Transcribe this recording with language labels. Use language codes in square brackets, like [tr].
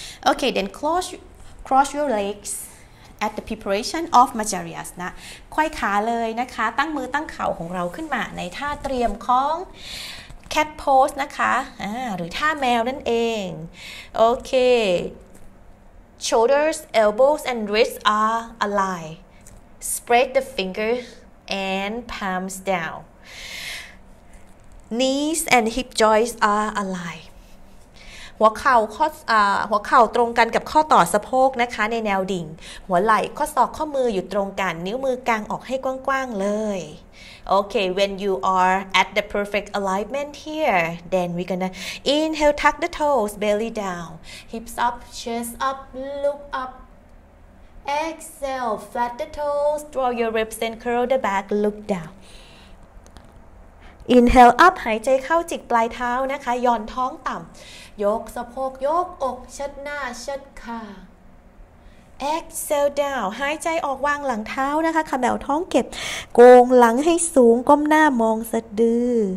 [en] Okay, then cross your legs at the preparation of Majjhasana. [th] ไขว้ขาเลยนะคะตั้งมือตั้งเข่าของเราขึ้นมาในท่าเตรียมของ cat pose นะคะหรือท่าแมวนั่นเองโอเค [en] shoulders, elbows, and wrists are aligned. Spread the fingers and palms down. Knees and hip joints are aligned. [th] หัวเข่าหัวเข่าตรงกันกับข้อต่อสะโพกนะคะในแนวดิ่งหัวไหล่ข้อศอกข้อมืออยู่ตรงกันนิ้วมือกางออกให้กว้างๆเลย [en] โอเค when you are at the perfect alignment here then we're gonna inhale tuck the toes belly down hips up chest up look upexhale flat the toes draw your ribs and curl the back look down inhale up [th] หายใจเข้าจิกปลายเท้านะคะย่อนท้องต่ำ ยกสะโพกยกอกชัดหน้าชัดขา [en] exhale down [th] หายใจออกวางหลังเท้านะคะขมวดท้องเก็บโกงหลังให้สูงก้มหน้ามองสะดือ